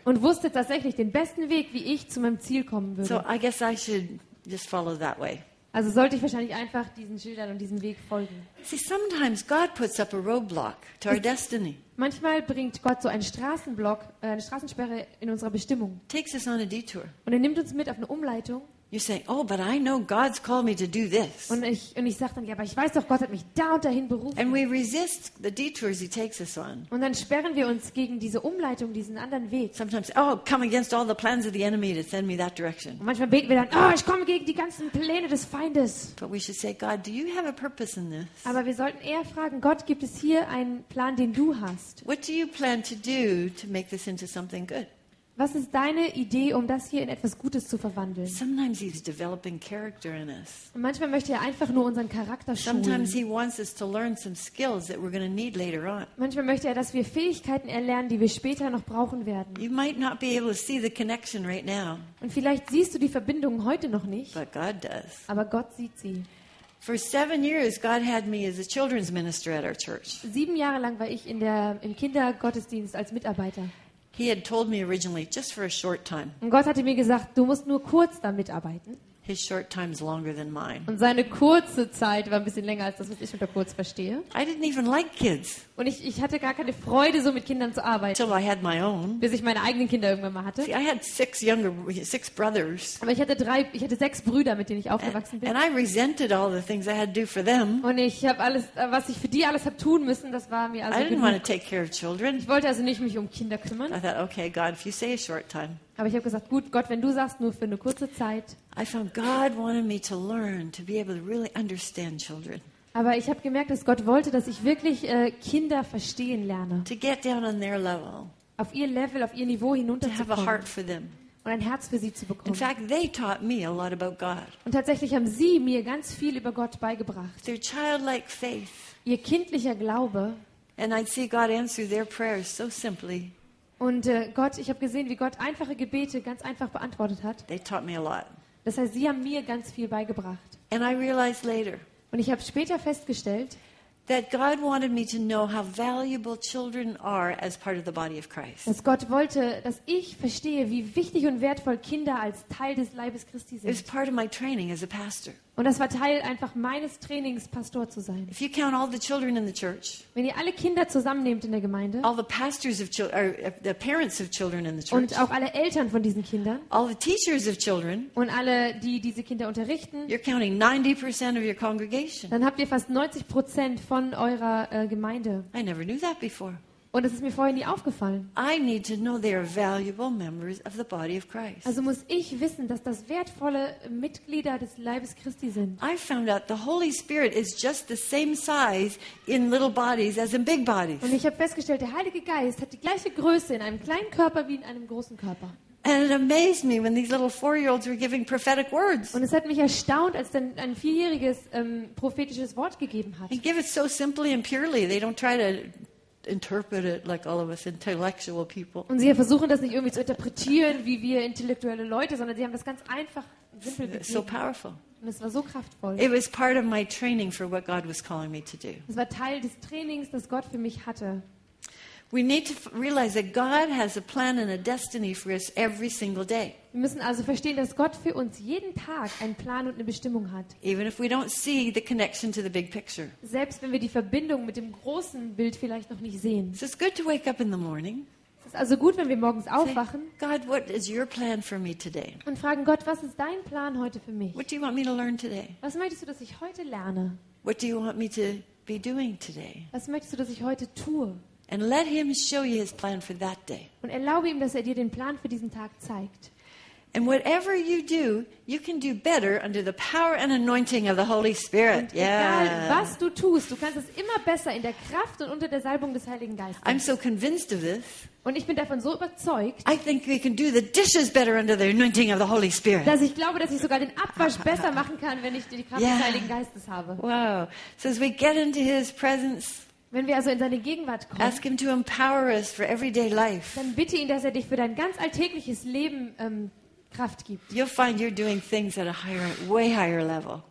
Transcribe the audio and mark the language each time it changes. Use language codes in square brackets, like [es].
[de] Und wusste tatsächlich den besten Weg, wie ich zu meinem Ziel kommen würde. [en] So I guess I should just follow that way. [de] Also sollte ich wahrscheinlich einfach diesen Schildern und diesem Weg folgen. [en] See, sometimes God puts up a roadblock to our destiny. [de] Manchmal bringt Gott so einen Straßenblock, eine Straßensperre in unserer Bestimmung. [en] Takes us on a detour. [de] Und er nimmt uns mit auf eine Umleitung. [en] You're saying, "Oh, but I know God's called me to do this." [de] Und ich sag dann, ja, aber ich weiß doch, Gott hat mich da und dahin berufen. [en] And we resist the detours he takes us on. [de] Und dann sperren wir uns gegen diese Umleitung, diesen anderen Weg. [en] Sometimes, "Oh, come against all the plans of the enemy to send me that direction." [de] Und manchmal beten wir dann, "Oh, ich komme gegen die ganzen Pläne des Feindes." [en] But we should say, "God, do you have a purpose in this?" [de] Aber wir sollten eher fragen, Gott, gibt es hier einen Plan, den du hast? [en] What do you plan to do to make this into something good? [de] Was ist deine Idee, um das hier in etwas Gutes zu verwandeln? [en] Sometimes he's developing character in us. [de] Und manchmal möchte er einfach nur unseren Charakter schulen. [en] Sometimes he wants us to learn some skills that we're going to need later on. [de] Manchmal möchte er, dass wir Fähigkeiten erlernen, die wir später noch brauchen werden. [en] You might not be able to see the connection right now. [de] Und vielleicht siehst du die Verbindung heute noch nicht. [en] But God does. [de] Aber Gott sieht sie. [en] For 7 years, God had me as a children's minister at our church. [de] 7 Jahre lang war ich im Kindergottesdienst als Mitarbeiter. [en] He had told me originally just for a short time. [de] Und Gott hatte mir gesagt, du musst nur kurz damit arbeiten. [en] His short time is longer than mine. [de] Und seine kurze Zeit war ein bisschen länger als das, was ich unter kurz verstehe. [en] I didn't even like kids. [de] Und ich hatte gar keine Freude, so mit Kindern zu arbeiten. [en] Till I had my own. [de] Bis ich meine eigenen Kinder irgendwann mal hatte. [en] See, I had six brothers. [de] Aber ich hatte sechs Brüder, mit denen ich aufgewachsen bin. [en] And I resented all the things I had to do for them. [de] Und ich habe alles, was ich für die alles habe tun müssen, das war mir also genug. [en] I didn't want to take care of children. [de] Ich wollte also nicht mich um Kinder kümmern. [en] I thought, okay, God, if you say a short time. [de] Aber ich habe gesagt, gut, Gott, wenn du sagst, nur für eine kurze Zeit. [en] I found God wanted me to learn to be able to really understand children. [de] Aber ich habe gemerkt, dass Gott wollte, dass ich wirklich Kinder verstehen lerne. [en] To get down on their level. [de] Auf ihr Level, auf ihr Niveau hinunterzukommen. [en] To have a heart for them. [de] Und ein Herz für sie zu bekommen. [en] In fact, they taught me a lot about God. [de] Und tatsächlich haben sie mir ganz viel über Gott beigebracht. [en] Their childlike faith. [de] Ihr kindlicher Glaube. [en] And I see God answer their prayers so simply. [de] Und Gott, ich habe gesehen, wie Gott einfache Gebete ganz einfach beantwortet hat. [en] They taught me a lot. [de] Das heißt, sie haben mir ganz viel beigebracht. [en] And I realized later. [de] Und ich habe später festgestellt, [en] that God wanted me to know how valuable children are as part of the body of Christ. [de] Dass Gott wollte, dass ich verstehe, wie wichtig und wertvoll Kinder als Teil des Leibes Christi sind. [en] It's part of my training as a pastor. [de] Und das war Teil einfach meines Trainings, Pastor zu sein. [en] If you count all the children in the church, [de] wenn ihr alle Kinder zusammennehmt in der Gemeinde, [en] all the pastors of the parents of children in the church, [de] und auch alle Eltern von diesen Kindern, [en] all the teachers of children, [de] und alle, die diese Kinder unterrichten, [en] you're counting 90% of your congregation. [de] Dann habt ihr fast 90% von eurer Gemeinde. [en] I never knew that before. [de] Und es ist mir vorher nie aufgefallen. [en] I need to know they are valuable members of the body of Christ. [de] Also muss ich wissen, dass das wertvolle Mitglieder des Leibes Christi sind. [en] I found out the Holy Spirit is just the same size in little bodies as in big bodies. [de] Und ich habe festgestellt, der Heilige Geist hat die gleiche Größe in einem kleinen Körper wie in einem großen Körper. [en] And it amazed me when these little 4-year-olds were giving prophetic words. [de] Und es hat mich erstaunt, als dann ein vierjähriges prophetisches Wort gegeben hat. [en] They give it so simply and purely. They don't try to interpret it like all of us intellectual people. [de] Und sie versuchen das nicht irgendwie zu interpretieren wie wir intellektuelle Leute, sondern sie haben das ganz einfach simpel gegeben. [en] So powerful. [de] Und es war so kraftvoll. [en] It was part of my training for what God was calling me to do. [de] Es war Teil des Trainings, das Gott für mich hatte. [en] We need to realize that God has a plan and a destiny for us every single day. [de] Wir müssen also verstehen, dass Gott für uns jeden Tag einen Plan und eine Bestimmung hat. [en] Even if we don't see the connection to the big picture. [de] Selbst wenn wir die Verbindung mit dem großen Bild vielleicht noch nicht sehen. [en] So it's good to wake up in the morning. [de] Es ist also gut, wenn wir morgens aufwachen. [en] Say, God, what is your plan for me today? [de] Und fragen Gott, was ist dein Plan heute für mich? [en] What do you want me to learn today? [de] Was möchtest du, dass ich heute lerne? [en] What do you want me to be doing today? [de] Was möchtest du, dass ich heute tue? [en] And let him show you his plan for that day. [de] Und erlaube ihm, dass er dir den Plan für diesen Tag zeigt. [en] And whatever you do, you can do better under the power and anointing of the Holy Spirit. [de] Und egal, was du tust, du kannst es immer besser in der Kraft und unter der Salbung des Heiligen Geistes. [en] I'm so convinced of this. [de] Und ich bin davon so überzeugt. [en] I think we can do the dishes better under the anointing of the Holy Spirit. [de] Dass ich glaube, dass ich sogar den Abwasch besser machen kann, wenn ich die Kraft des Heiligen Geistes habe. [en] Wow. So as we get into his presence, [de] wenn wir also in seine Gegenwart kommen, [en] ask him to empower us for everyday life. [de] Dann bitte ihn, dass er dich für dein ganz alltägliches Leben Kraft gibt. [en] You'll find you're doing things at a higher, way higher level.